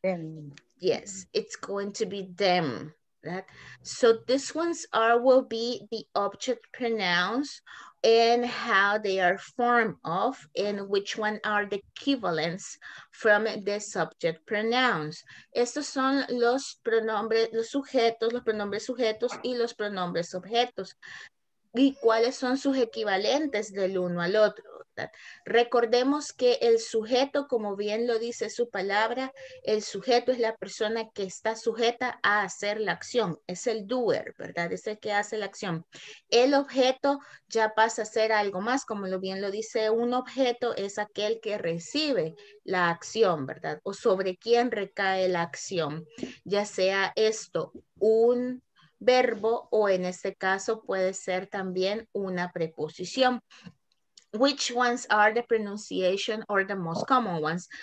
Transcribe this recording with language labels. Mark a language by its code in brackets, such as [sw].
[en] them. Yes, it's going to be them. That. So this ones are, will be the object pronouns and how they are formed of and which one are the equivalents from the subject pronouns. [es] Estos son los pronombres, los sujetos, los pronombres sujetos y los pronombres objetos. ¿Y cuáles son sus equivalentes del uno al otro? Recordemos que el sujeto, como bien lo dice su palabra, el sujeto es la persona que está sujeta a hacer la acción, es el doer, ¿verdad? Es el que hace la acción. El objeto ya pasa a ser algo más, como lo bien lo dice, un objeto es aquel que recibe la acción, ¿verdad? O sobre quién recae la acción, ya sea esto, un verbo o en este caso puede ser también una preposición. [en] Which ones are the pronunciation or the most common ones?